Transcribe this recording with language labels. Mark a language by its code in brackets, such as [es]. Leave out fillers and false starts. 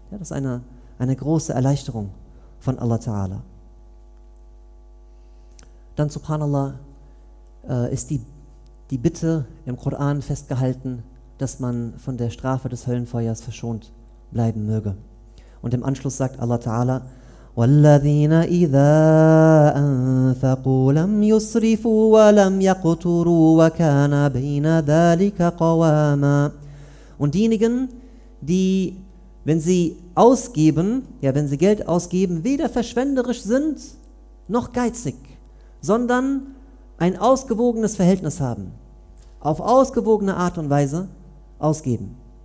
[de] Ja, das ist eine große Erleichterung von Allah Ta'ala. Dann, subhanallah, ist die Bitte im Koran festgehalten, dass man von der Strafe des Höllenfeuers verschont bleiben möge. Und im Anschluss sagt Allah Ta'ala, [ar] والذين إذا أنفقوا لم يسرفوا ولم يقتروا وكان بين ذلك قواما. [de] Und diejenigen, die, wenn sie ausgeben, ja, wenn sie Geld ausgeben, weder verschwenderisch sind noch geizig, sondern ein ausgewogenes Verhältnis haben, auf ausgewogene Art und Weise ausgeben.